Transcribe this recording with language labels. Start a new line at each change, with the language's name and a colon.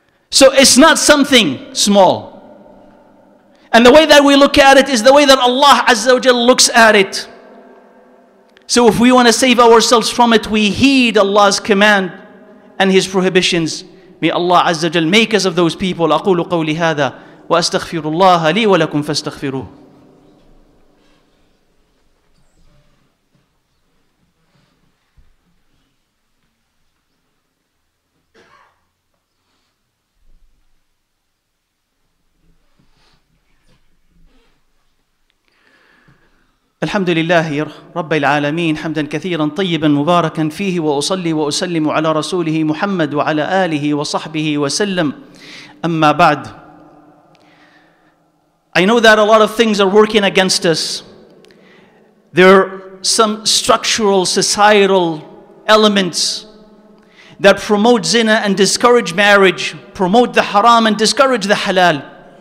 English: So it's not something small. And the way that we look at it is the way that Allah Azza wa Jalla looks at it. So if we want to save ourselves from it, we heed Allah's command and His prohibitions. May Allah Azza wa Jalla make us of those people.
Arabic: أقول قولي هذا وأستغفر الله لي ولكم فاستغفروه. الحمد لله رب العالمين حمدا كثيرا طيبا مباركا فيه، وأصلي وأسلم على رسوله محمد وعلى آله وصحبه وسلم. أما بعد،
English: I know that a lot of things are working against us. There are some structural societal elements that promote zina and discourage marriage, promote the haram and discourage the halal.